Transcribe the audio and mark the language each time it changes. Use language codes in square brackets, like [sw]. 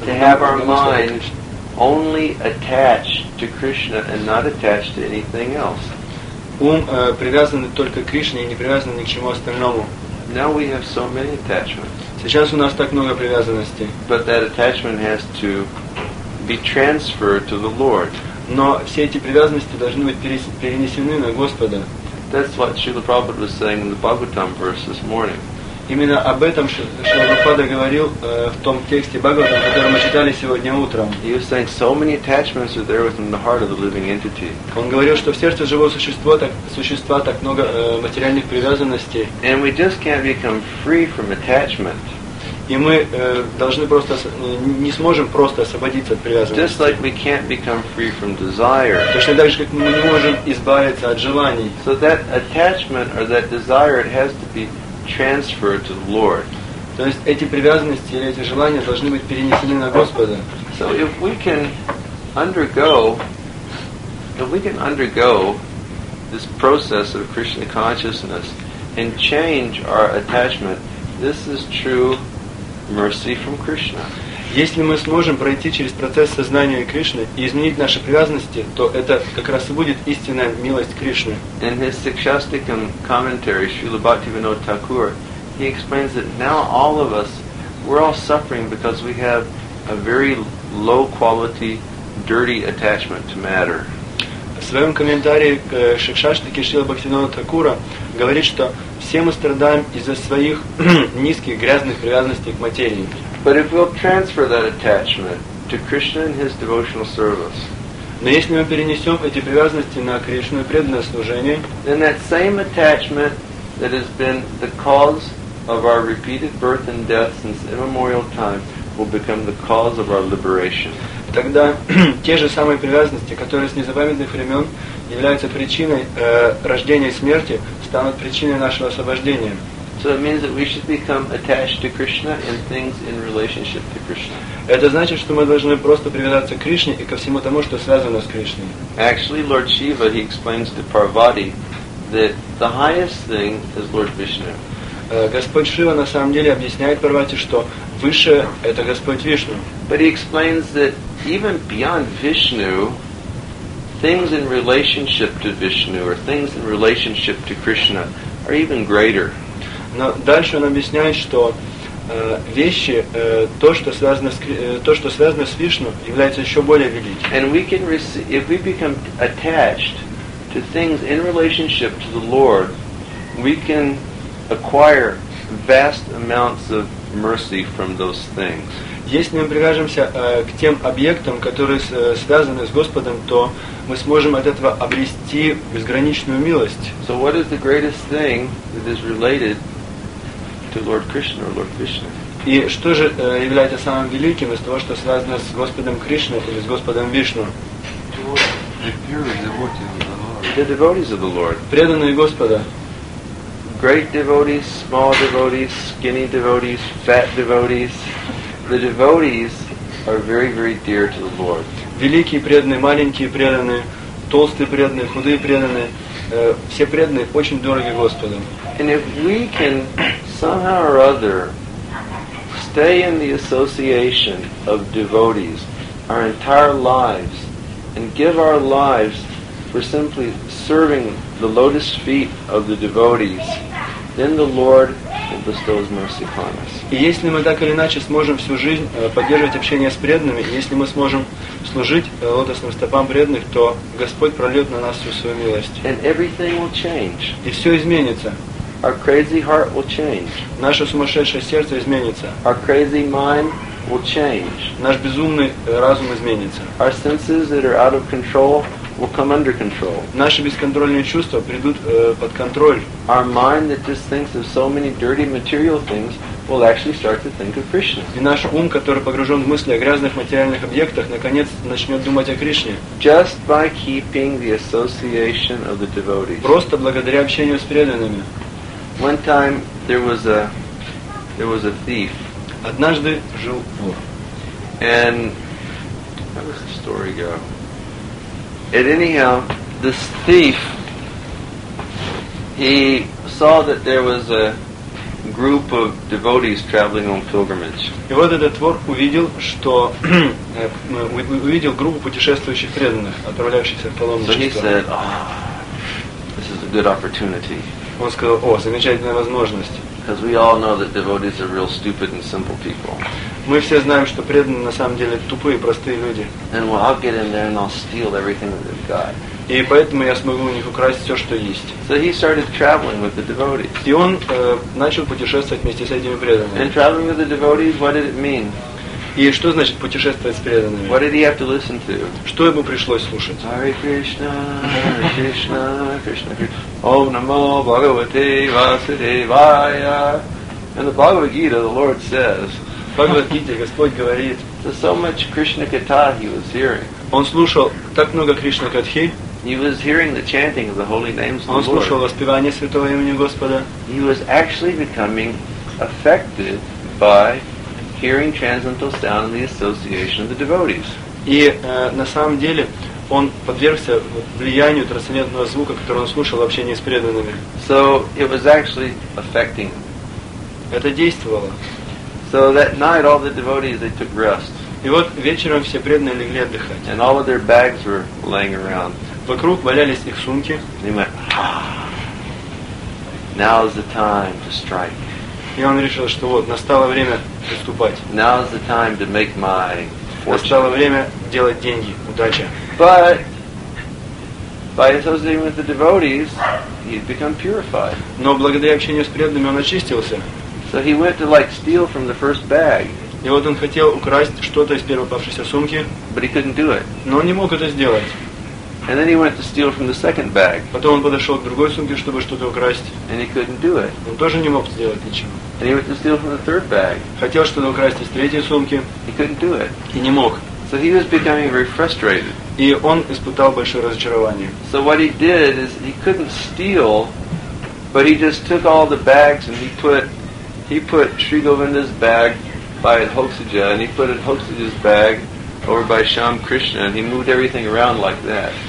[en] To have our mind only attached to Krishna and not attached to anything else. [ru] Ум привязан только к Кришне и не привязан ни к чему остальному. [en] Now we have so many attachments. [ru] Сейчас у нас так много привязанностей. [en] But that attachment has to be transferred to the Lord. [ru] Но все эти привязанности должны быть перенесены на Господа. [en] That's what Srila Prabhupada was saying in the Bhagavatam verse this morning. [ru] Именно об этом Шрила Прабхупада говорил в том тексте Бхагаватам, который мы читали сегодня утром. [en] He was saying so many attachments are there within the heart of the living entity. [ru] Он говорил, что в сердце живого существа так много материальных привязанностей. [en] And we just can't become free from attachment. [ru] И мы должны просто не сможем просто освободиться от привязанности. [en] Just like we can't become free from desire. [ru] Точно так же, как мы не можем избавиться от желаний. [en] So that attachment or that desire, it has to be transferred to the Lord. [ru] То есть эти привязанности или эти желания должны быть перенесены на Господа. [en] So if we can undergo this process of Krishna consciousness and change our attachment, this is true mercy from Krishna. [ru] Если мы сможем пройти через процесс сознания Кришны и изменить наши привязанности, то это как раз и будет истинная милость Кришны. [en] In his Sikshastikam commentary, Srila Bhaktivinoda Thakur, he explains that now all of us, we're all suffering because we have a very low quality, dirty attachment to matter. [ru] В своем комментарии к Шикшаштике Шрила Бхактивинода Такура говорит, что все мы страдаем из-за своих низких, грязных привязанностей к материи. [en] But if we'll transfer that attachment to Krishna and his devotional service, [ru] но если мы перенесем эти привязанности на Кришну и преданное служение, [en] then that same attachment that has been the cause of our repeated birth and death since immemorial time will become the cause of our liberation. [ru] Тогда те же самые привязанности, которые с незапамятных времен являются причиной рождения и смерти, станут причиной нашего освобождения. [en] So it means that we should become attached to Krishna and things in relationship to Krishna. [ru] Это значит, что мы должны просто привязаться к Кришне и ко всему тому, что связано с Кришной. [en] Actually, Lord Shiva, he explains to Parvati that the highest thing is Lord Vishnu. [ru] Господь Шива на самом деле объясняет Парвати, что выше – это Господь Вишну. [en] But he explains that even beyond Vishnu, things in relationship to Vishnu or things in relationship to Krishna are even greater. [ru] Но дальше он объясняет, что вещи, то, что связано с Вишну, является еще более великим. [en] And we can if we become attached to things in relationship to the Lord, we can acquire vast amounts of mercy from those things. [ru] Если мы привяжемся к тем объектам, которые связаны с Господом, то мы сможем от этого обрести безграничную милость. [en] So what is the greatest thing that is related to Lord Krishna or Lord Vishnu? [ru] И что же является самым великим из того, что связано с Господом Кришной или с Господом Вишну? [en] The devotees of the Lord. [ru] Преданные Господа. [en] Great devotees, small devotees, skinny devotees, fat devotees. The devotees are very, very dear to the Lord. [ru] Великие преданные, маленькие преданные, толстые преданные, худые преданные, все преданные очень дороги Господу. [en] And if we can somehow or other stay in the association of devotees our entire lives and give our lives for simply serving the lotus feet of the devotees, then the Lord bestows mercy upon us. [ru] И если мы так или иначе сможем всю жизнь поддерживать общение с преданными, если мы сможем служить лотосным стопам преданных, то Господь прольет на нас всю свою милость. [en] And everything will change. [ru] И все изменится. [en] Our crazy heart will change. [ru] Наше сумасшедшее сердце изменится. [en] Our crazy mind will change. [ru] Наш безумный разум изменится. [en] Our senses that are out of control will come under control. [ru] Наши бесконтрольные чувства придут под контроль. [en] Our mind that just thinks of so many dirty material things will actually start to think of Krishna. [ru] И наш ум, который погружен в мысли о грязных материальных объектах, наконец начнет думать о Кришне. [en] Just by keeping the association of the devotees. [ru] Просто благодаря общению с преданными. [en] One time there was a thief. [ru] Однажды жил вор. [en] And how does the story go? And anyhow, this thief, he saw that there was a group of devotees traveling on pilgrimage. [ru] И вот этот вор увидел, что увидел группу путешествующих преданных, отправляющихся в паломничество. [en] So he said, this is a good opportunity. [ru] Он сказал, о, замечательная возможность. [en] Because we all know that devotees are real stupid and simple people. [ru] Мы все знаем, что преданные на самом деле тупые, простые люди. [en] And well, I'll get in there and I'll steal everything that they've got. [ru] И поэтому я смогу у них украсть все, что есть. [en] So he started traveling with the devotees. [ru] И он начал путешествовать вместе с этими преданными. [en] And traveling with the devotees, what did it mean? [ru] И что значит путешествовать с преданными? [en] What did he have to listen to? [ru] Что ему пришлось слушать? [sa] Hare Krishna, Hare Krishna, Krishna Krishna. Om Namo Bhagavate Vasudevaya. [en] And the Bhagavad Gita, the Lord says. [ru] Bhagavad Gita, Господь говорит. [en] So much Krishna Katha he was hearing. [ru] Он слушал так много Кришна Катхи. [en] He was hearing the chanting of the holy names of the Lord. [ru] Он слушал воспевание святого имени Господа. [en] He was actually becoming affected by hearing transcendental sound in the association of the devotees. [ru] И на самом деле он подвергся влиянию трансцендентного звука, который он слушал в общении с преданными. [en] So it was actually affecting. [ru] Это действовало. [en] So that night all the devotees, they took rest. [ru] И вот вечером все преданные легли отдыхать. [en] And all of their bags were laying around. [ru] Вокруг валялись их сумки. [en] They went, now is the time to strike. [ru] И он решил, что вот, настало время приступать. [en] Now is the time to make my fortune. [ru] Настало время делать деньги, удача. [en] But by associating with the devotees, he'd become purified. [ru] Но благодаря общению с преданными он очистился. [en] So he went to like steal from the first bag. [ru] И вот он хотел украсть что-то из первой попавшейся сумки. [en] But he couldn't do it. [ru] Но он не мог это сделать. [en] And then he went to steal from the second bag. [ru] Потом он подошел к другой сумке, чтобы что-то украсть. [en] And he couldn't do it. [ru] Он тоже не мог сделать ничего. [en] And he went to steal from the third bag. [ru] Хотел что-то украсть из третьей сумки. [en] He couldn't do it. [ru] И не мог. [en] So he was becoming very frustrated. [ru] И он испытал большое разочарование. [en] So what he did is he couldn't steal, but he just took all the bags and he put Sri Govinda's bag by Hoksija and he put it Hoksija's bag. Over by Sham Krishna, and he moved everything around like that.